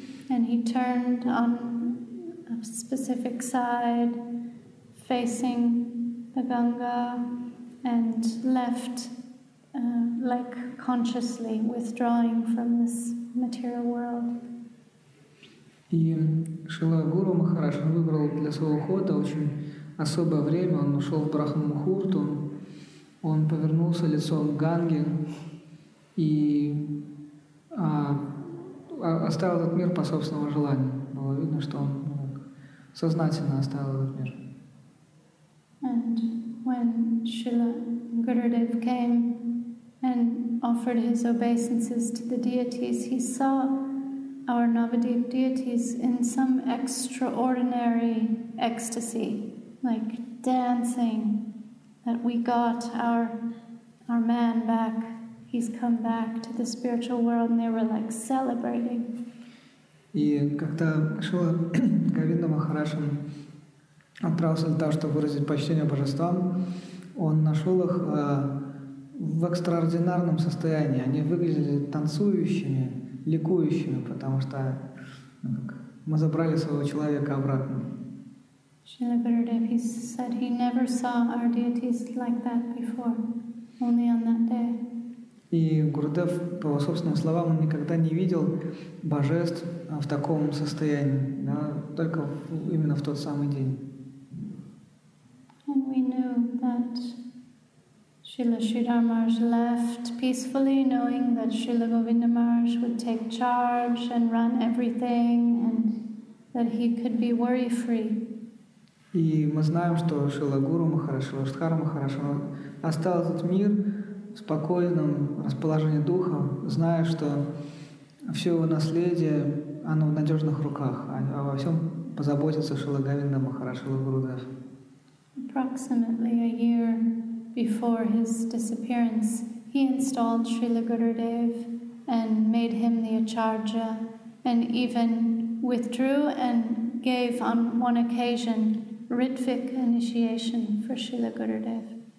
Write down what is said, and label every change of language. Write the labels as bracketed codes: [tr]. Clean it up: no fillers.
[en] And he turned on a specific side, facing the Ganga, and left, like consciously withdrawing from this material world. [ru] И Шрила Гуру Махарадж выбрал для своего ухода очень особое время. Он ушел в Брахма Мухурту. Он повернулся лицом к Ганге и оставил этот мир по собственному желанию. Было видно, что он сознательно оставил этот мир. [en] And when Srila Gurudev came and offered his obeisances to the deities, he saw our Navadvip deities in some extraordinary ecstasy, like dancing. That we got our man back. He's come back to the spiritual world, and they were like celebrating. [ru] И когда Шрила Говинда Махарадж отправился для того, чтобы выразить почтение божествам, он нашел их в экстраординарном состоянии. Они выглядели танцующими, ликующими, потому что мы забрали своего человека обратно. [en] Srila Gurudev, he said he never saw our deities like that before, only on that day. [ru] И Гурудев, по его собственным словам, он никогда не видел божеств в таком состоянии, да, только именно в тот самый день. [en] And we knew that Srila Sridhar Maharaj left peacefully, knowing that Srila Govinda Maharaj would take charge and run everything, and that he could be worry-free. [ru] И мы знаем, что Шрила Гуру Махарадж, Шрила Шридхара Махарадж оставил этот мир в спокойном расположении духа, зная, что все его наследие, оно в надежных руках, а во всем позаботится Шрила Говинда Махарадж, Шрила Гурудев. [en] Approximately a year before his disappearance, he installed Srila Gurudev and made him the acharya, and even withdrew and gave on one occasion Ritvik initiation for Srila Gurudev.